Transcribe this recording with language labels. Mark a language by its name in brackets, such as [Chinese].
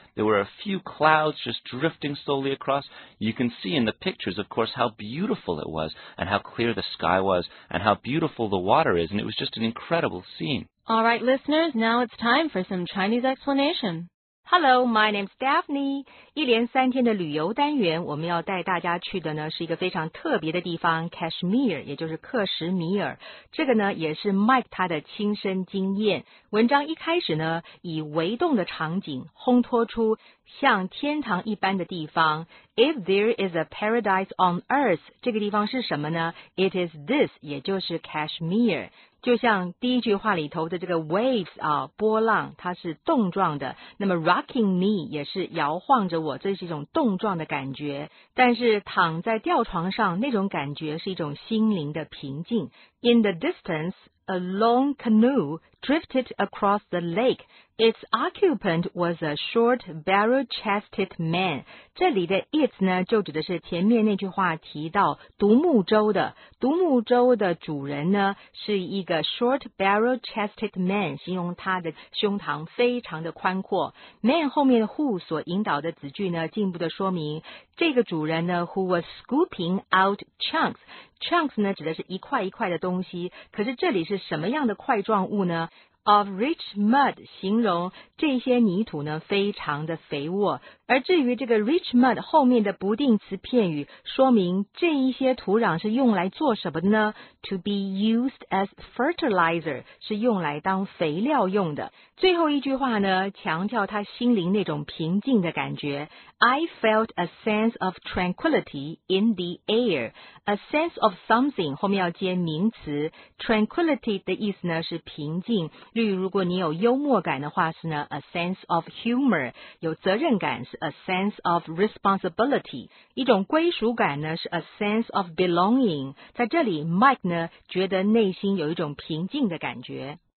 [English] There were a few clouds just drifting slowly across. You can see in the pictures, of course, how beautiful it was and how clear the sky was and how beautiful the water is, and it was just an incredible scene. All right, listeners, now it's time for some Chinese explanation. Hello, my name's Daphne. [Chinese] 一连3天的旅游单元，我们要带大家去的呢是一个非常特别的地方 ,Kashmir, 也就是克什米尔。这个呢也是 Mike 他的亲身经验。文章一开始呢以微动的场景烘托出像天堂一般的地方。 [English] If there is a paradise on earth, [Chinese] 这个地方是什么呢 ? [English] It is this, [Chinese] 也就是 Kashmir。就像第一句话里头的这个 waves 啊，波浪，它是动状的。那么 rocking me 也是摇晃着我，这是一种动状的感觉。但是躺在吊床上，那种感觉是一种心灵的平静。 [English] In the distance, a long canoe drifted across the lake. Its occupant was a short, barrel-chested man. [Chinese] 这里的 it 呢，就指的是前面那句话提到独木舟的。独木舟的主人呢，是一个 [English] short, barrel-chested man， [Chinese] 形容他的胸膛非常的宽阔。 Man 后面的 who 所引导的子句呢，进一步的说明这个主人呢 ， [English] who was scooping out chunks。 [Chinese] Chunks 呢，指的是一块一块的东西。可是这里是什么样的块状物呢？ [English] Of rich mud [Chinese] 形容这些泥土呢非常的肥沃，而至于这个 rich mud 后面的不定词片语说明这一些土壤是用来做什么的呢 ? [English] To be used as fertilizer [Chinese] 是用来当肥料用的。最后一句话呢强调他心灵那种平静的感觉。 [English] I felt a sense of tranquility in the air. [Chinese] A sense of something 后面要接名词 ,tranquility 的意思呢是平静。例如如果你有幽默感的话是呢 ,a sense of humor, 有责任感是 a sense of responsibility, 一种归属感呢是 a sense of belonging, 在这里 Mike 呢觉得内心有一种平静的感觉。